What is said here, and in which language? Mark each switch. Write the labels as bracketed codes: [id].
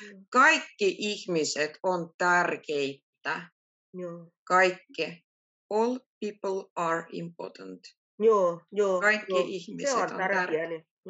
[fi] Kaikki ihmiset on tärkeitä. Kaikki. [en] All people are important. [fi] Joo. Kaikki ihmiset on tärkeitä.